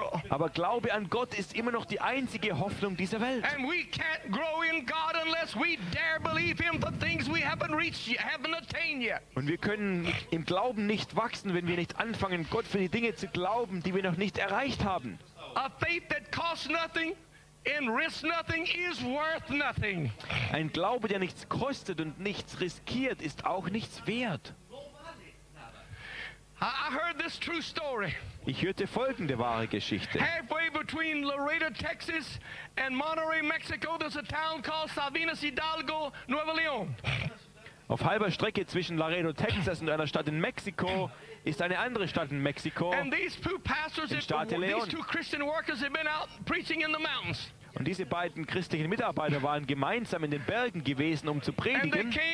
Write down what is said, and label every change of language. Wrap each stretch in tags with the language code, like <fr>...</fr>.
<de>Aber Glaube an Gott ist immer noch die einzige Hoffnung dieser Welt.</de> <en>And we can't grow in God unless we dare believe him for things we haven't reached yet, haven't attained yet.</en> <de>Und wir können im Glauben nicht wachsen, wenn wir nicht anfangen, Gott für die Dinge zu glauben, die wir noch nicht erreicht haben.</de> <en>A faith that costs nothing and risks nothing is worth nothing.</en> <de>Ein Glaube, der nichts kostet und nichts riskiert, ist auch nichts wert.</de> <en>I heard this true story.</en> <de>Ich hörte folgende wahre Geschichte.</de> <en>Halfway between Laredo, Texas and Monterrey, Mexico, there's a town called Sabinas Hidalgo, Nuevo León.</en> <de>Auf halber Strecke zwischen Laredo, Texas und einer Stadt in Mexiko ist eine andere Stadt in Mexiko, im Staat Leon. Und diese beiden christlichen Mitarbeiter waren gemeinsam in den Bergen gewesen, um zu predigen.</de>